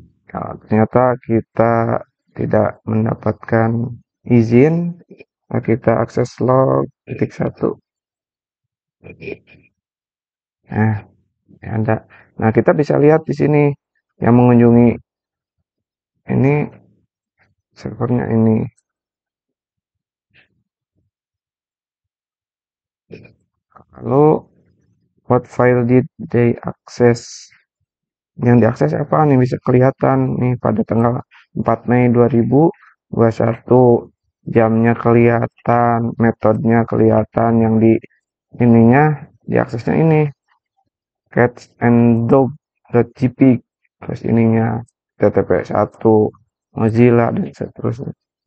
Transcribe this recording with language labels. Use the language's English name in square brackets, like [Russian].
[Indonesian] Kalau nah, ternyata kita tidak mendapatkan izin, kita akses log titik satu. Nah, ada. Nah, kita bisa lihat di sini yang mengunjungi ini servernya ini. [English] Lalu, what file did they access? [Indonesian] Yang diakses apa nih bisa kelihatan nih pada tanggal 4 Mei 2021 jamnya kelihatan, metodenya kelihatan, yang di ininya diaksesnya ini catch and dog.jpg terus ininya HTTP/1 Mozilla dan seterusnya.